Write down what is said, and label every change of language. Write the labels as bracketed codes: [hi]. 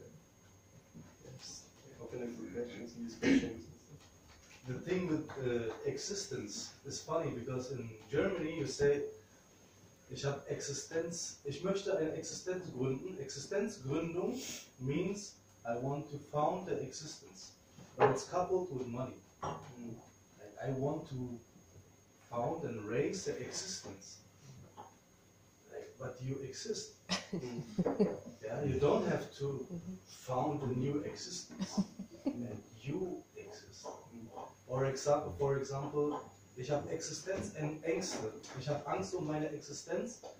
[en] And yes, open up for questions and discussions. The thing with existence is funny, because in Germany you say, [de] ich habe Existenz, ich möchte eine Existenz gründen. [en] Existenzgründung means I want to found the existence. But it's coupled with money. I want to found and raise the existence. Like, but you exist. Yeah, you don't have to found a new existence. And you exist. For example, [de] ich habe Existenz und Ängste. Ich habe Angst um meine Existenz.